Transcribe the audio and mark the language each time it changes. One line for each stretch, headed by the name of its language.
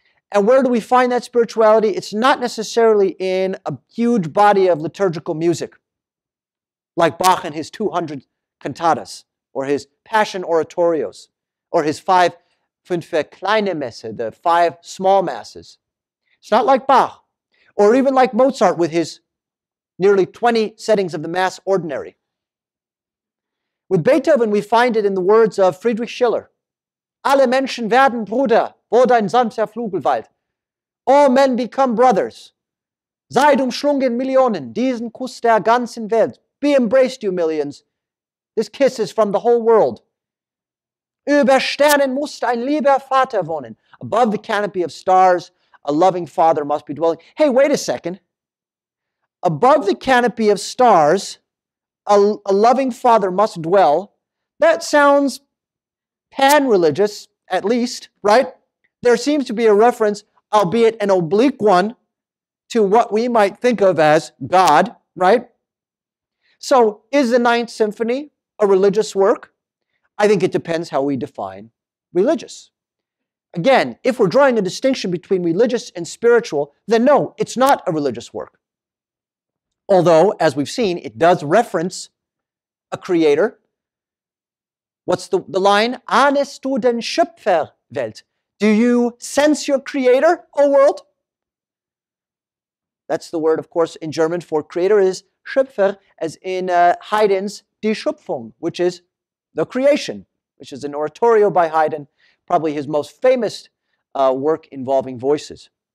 English: And where do we find that spirituality? It's not necessarily in a huge body of liturgical music, like Bach and his 200 cantatas, or his Passion Oratorios, or his Fünfe kleine Messe, the five small masses. It's not like Bach, or even like Mozart with his nearly 20 settings of the Mass ordinary. With Beethoven, we find it in the words of Friedrich Schiller.
German: Alle Menschen werden Brüder, wo dein sanfter Flügelwald.
English: All men become brothers.
German: Seid umschlungen Millionen, diesen Kuss der ganzen Welt.
English: Be embraced, you millions. This kiss is from the whole world.
German: Über Sternen muss ein lieber Vater wohnen.
English: Above the canopy of stars, a loving father must be dwelling. Hey, wait a second. Above the canopy of stars, a loving father must dwell. That sounds pan-religious, at least, right? There seems to be a reference, albeit an oblique one, to what we might think of as God, right? So, is the Ninth Symphony a religious work? I think it depends how we define religious. Again, if we're drawing a distinction between religious and spiritual, then no, it's not a religious work. Although, as we've seen, it does reference a creator. What's the line?
German: Ahnest du den Schöpfer, Welt?
English: Do you sense your creator, O world? That's the word, of course, in German for creator is Schöpfer, as in Haydn's Die Schöpfung, which is the creation, which is an oratorio by Haydn, probably his most famous work involving voices.